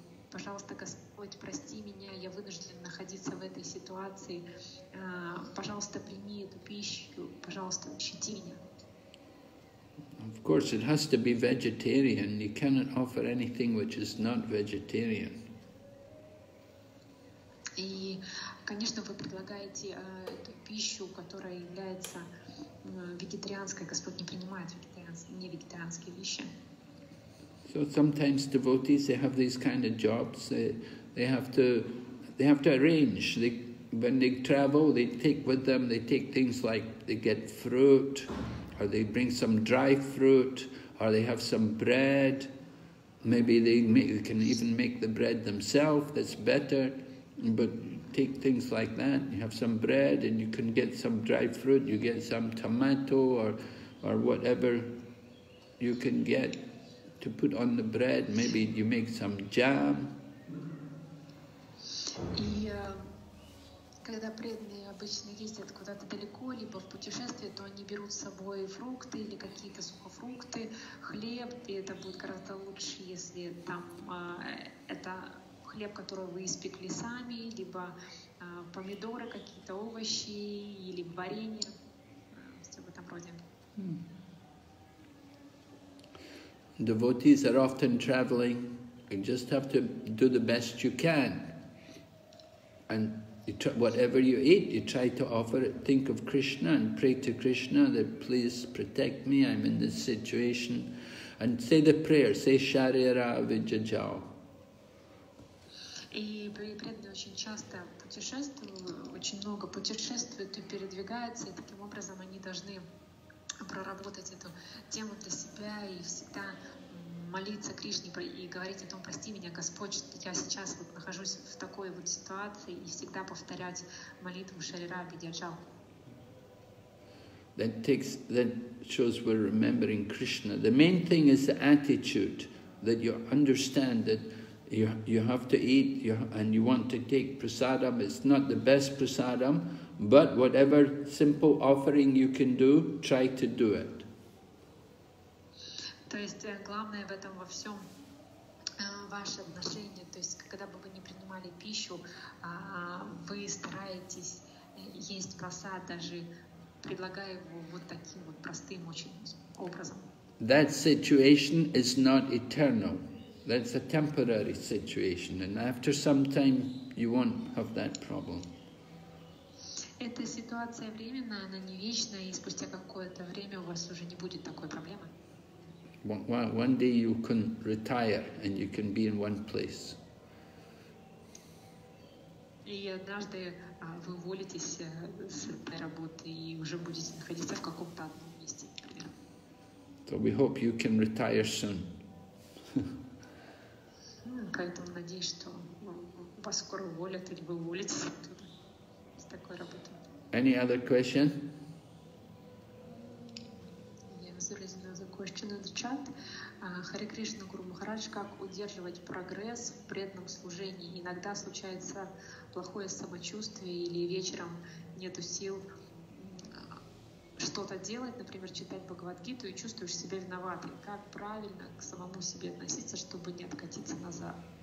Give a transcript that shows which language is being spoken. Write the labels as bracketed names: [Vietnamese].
[Russian] Пожалуйста, Господь, прости меня, я вынужден находиться в этой ситуации. Пожалуйста, прими эту пищу, пожалуйста, щити меня. [English] Of course, it has to be vegetarian. You cannot offer anything which is not vegetarian. [Russian] И, конечно, вы предлагаете эту пищу, которая является вегетарианской. Господь не принимает невегетарианские вещи. [English] So sometimes devotees, they have these kind of jobs. They have to arrange. When they travel, they take with them, they take things like they get fruit, or they bring some dry fruit, or they have some bread. Maybe they can even make the bread themselves, that's better. But take things like that. You have some bread and you can get some dry fruit, you get some tomato or whatever you can get to put on the bread, maybe you make some jam. [Russian] И когда преданные обычно ездят куда-то далеко, либо в путешествие, то они берут с собой фрукты или какие-то сухофрукты, хлеб, и это будет гораздо лучше, если там это хлеб, который вы испекли сами, либо помидоры, какие-то овощи, или варенье, все в этом роде. [English] Devotees are often traveling. You just have to do the best you can. And whatever you eat, you try to offer it. Think of Krishna and pray to Krishna that please protect me, I'm in this situation. And say the prayer, say Sharira Vijajao. [Russian] И преданные очень часто путешествуют, очень много путешествуют и передвигаются, и таким образом они должны проработать эту тему для себя и всегда молиться Кришне и говорить о том, прости меня, Господь, что я сейчас вот нахожусь в такой вот ситуации, и всегда повторять молитву Шарира Бидяджал. [English] That shows we're remembering Krishna. The main thing is the attitude, that you understand that you have to eat and you want to take prasadam. It's not the best prasadam. But whatever simple offering you can do, try to do it. [Russian] То есть главное в этом во всем ваше отношение. То есть когда бы вы не принимали пищу, вы стараетесь есть просад, даже предлагая его вот таким вот простым очень образом. [English] That situation is not eternal. That's a temporary situation, and after some time, you won't have that problem. [Russian] Эта ситуация временная, она не вечная, и спустя какое-то время у вас уже не будет такой проблемы. [English] One day you can retire and you can be in one place. [Russian] И однажды вы уволитесь с этой работы и уже будете находиться в каком-то одном месте, например. [English] So we hope you can retire soon. [Russian] Поэтому надеюсь, что вас скоро уволят или вы уволитесь оттуда с такой работы. [English] Any other question? Yes, there is another question in the chat. [Russian] Hare Krishna, Guru Maharaj, как удерживать прогресс в преданном служении? Иногда случается плохое самочувствие или вечером нету сил что-то делать, например, читать Бхагавад-гиту, и чувствуешь себя виноватым. Как правильно к самому себе относиться, чтобы не откатиться назад?